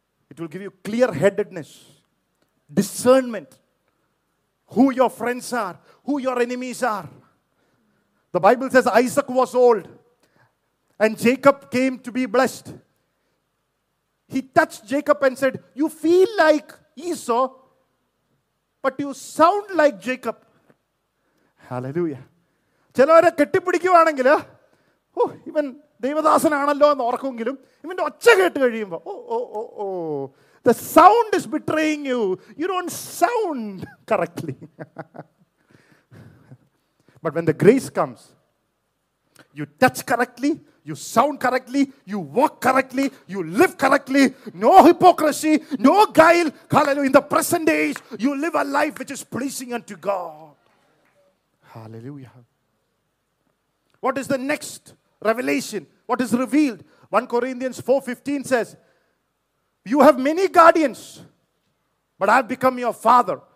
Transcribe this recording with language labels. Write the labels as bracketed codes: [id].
[en] It will give you clear-headedness, discernment, who your friends are, who your enemies are. The Bible says Isaac was old. And Jacob came to be blessed. He touched Jacob and said, you feel like Esau, but you sound like Jacob. Hallelujah. [ml] ചിലവരെ കെട്ടിപ്പിടിക്കുവാണെങ്കിൽ, ഓ ഇവൻ ദൈവദാസനാണല്ലോ എന്ന് ഓർക്കുമെങ്കിലും ഇവൻ്റെ ഒച്ച കേട്ട് കഴിയുമ്പോൾ, ഓ ഓ ഓ ഓ, [en] The sound is betraying you, you don't sound correctly. But when the grace comes, you touch correctly, you sound correctly, you walk correctly, you live correctly, no hypocrisy, no guile. Hallelujah. In the present days you live a life which is pleasing unto God. Hallelujah. What is the next revelation? What is revealed? 1 Corinthians 4:15 says, you have many guardians, but I have become your father.